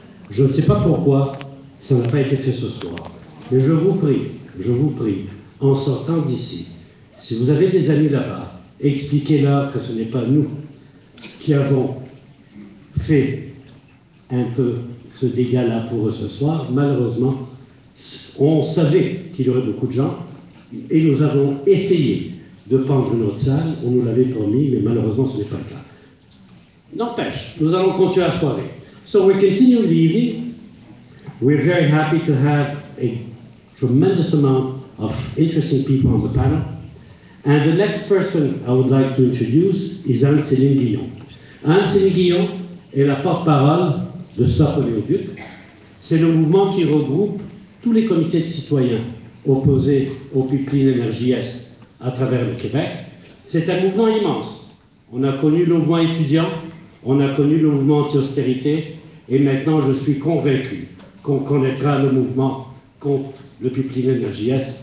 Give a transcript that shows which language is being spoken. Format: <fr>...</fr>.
<fr>Je ne sais pas pourquoi. Ça n'a pas été fait ce soir. Mais je vous prie, en sortant d'ici, si vous avez des amis là-bas, expliquez-leur que ce n'est pas nous qui avons fait un peu ce dégât-là pour eux ce soir. Malheureusement, on savait qu'il y aurait beaucoup de gens et nous avons essayé de prendre notre salle. On nous l'avait promis, mais malheureusement, ce n'est pas le cas. N'empêche, nous allons continuer la soirée.</fr> <en>So we continue the evening. We're very happy to have a tremendous amount of interesting people on the panel. And the next person I would like to introduce is Anne-Céline Guyon.</en> <fr>Anne-Céline Guyon est la porte-parole de Stop Oléoduc. C'est le mouvement qui regroupe tous les comités de citoyens opposés au pipeline énergie Est à travers le Québec. C'est un mouvement immense. On a connu le mouvement étudiant, on a connu le mouvement anti-austérité, et maintenant je suis convaincu qu'on connaîtra le mouvement contre le pipeline énergie Est.</fr>